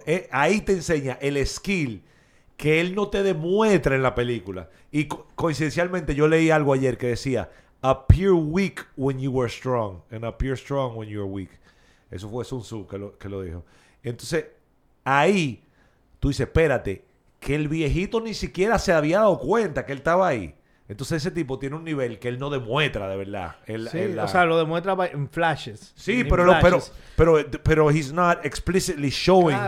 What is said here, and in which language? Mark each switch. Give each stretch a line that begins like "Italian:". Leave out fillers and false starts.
Spanish: ahí te enseña el skill que él no te demuestra en la película. Y coincidencialmente yo leí algo ayer que decía,
English: appear weak when you were strong, and appear strong when you are weak.
Spanish: Eso fue Sun Tzu que lo dijo. Entonces, ahí tú dices, espérate, que el viejito ni siquiera se había dado cuenta que él estaba ahí. Entonces ese tipo tiene un nivel que él no demuestra de verdad. Lo demuestra en flashes. Sí, pero
English: flashes.
Spanish: Pero
English: he's not explicitly showing.